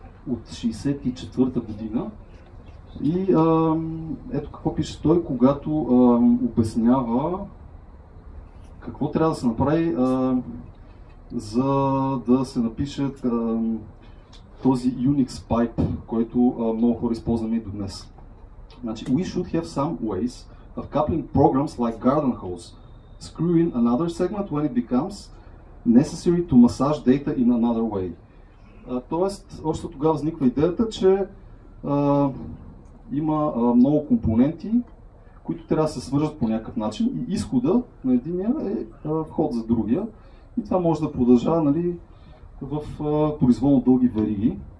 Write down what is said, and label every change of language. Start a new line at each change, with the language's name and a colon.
Bulgarian: От 64-та година и ето какво пише той, когато обяснява какво трябва да се направи за да се напише този Unix pipe, който много хора използваме и до днес.
English: Значи, we should have some ways of coupling programs like garden hose, screw in another segment when it becomes necessary to massage data in another way.
Bulgarian: Тоест, още тогава възниква идеята, че има много компоненти, които трябва да се свържат по някакъв начин и изхода на единия е вход за другия. И това може да продължава нали, в произволно дълги вариги.